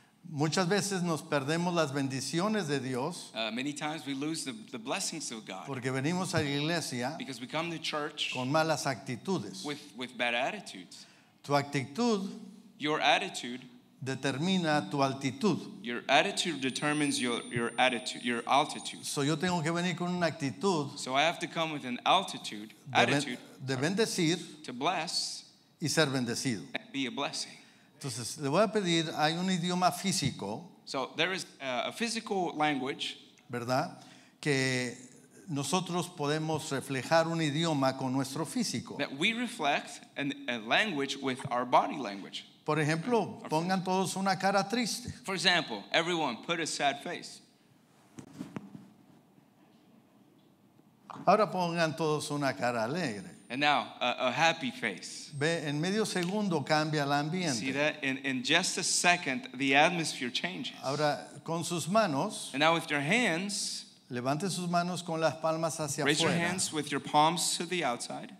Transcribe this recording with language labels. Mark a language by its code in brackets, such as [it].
[es] Muchas veces nos perdemos las bendiciones de Dios. [en] Many times we lose the blessings of God. [es] Porque venimos a la iglesia. [en] Because we come to church. [es] Con malas actitudes. [en] With bad attitudes. [es] Tu actitud. [en] Your attitude. [es] Determina tu altitud. [en] Your attitude determines your attitude, your altitude. [es] So yo tengo que venir con una actitud. [en] So I have to come with an altitude, attitude. [es] De bendecir. [en] To bless. [es] Y ser bendecido. [en] And be a blessing. [es] Entonces, le voy a pedir, hay un idioma físico. [en] So there is a physical language. [es] ¿Verdad? Que nosotros podemos reflejar un idioma con nuestro físico. [en] That we reflect a language with our body language. [es] Por ejemplo, pongan todos una cara triste. [en] For example, everyone put a sad face. [es] Ahora pongan todos una cara alegre. [en] And now, a happy face. [es] Ve, en medio segundo cambia el ambiente. [en] See that? In just a second, the atmosphere changes. [es] Ahora, con sus manos. [en] And now with your hands. [es] Levante sus manos con las palmas hacia afuera. [en] Raise your hands with your palms to the outside.